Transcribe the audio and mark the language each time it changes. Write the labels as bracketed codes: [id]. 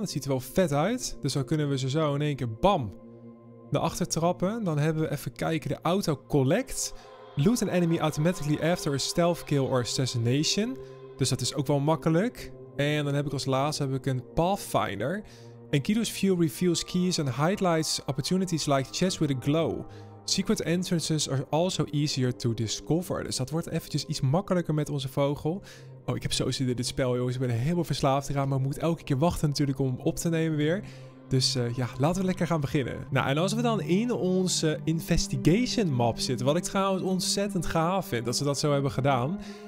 [nl] Het ziet er wel vet uit. Dus dan kunnen we ze zo in één keer, bam, naar achter trappen. Dan hebben we even kijken, de [en] auto collect. Loot an enemy automatically after a stealth kill or assassination. [nl] Dus dat is ook wel makkelijk. En dan heb ik als laatste een Pathfinder. [en] En Kido's view reveals keys and highlights opportunities like chests with a glow. Secret entrances are also easier to discover. [nl] Dus dat wordt eventjes iets makkelijker met onze vogel. Oh, ik heb zo zin in dit spel, jongens. Ik ben helemaal verslaafd eraan, maar ik moet elke keer wachten natuurlijk om hem op te nemen weer. Dus ja, laten we lekker gaan beginnen. Nou, en als we dan in onze investigation map zitten, wat ik trouwens ontzettend gaaf vind dat ze dat zo hebben gedaan.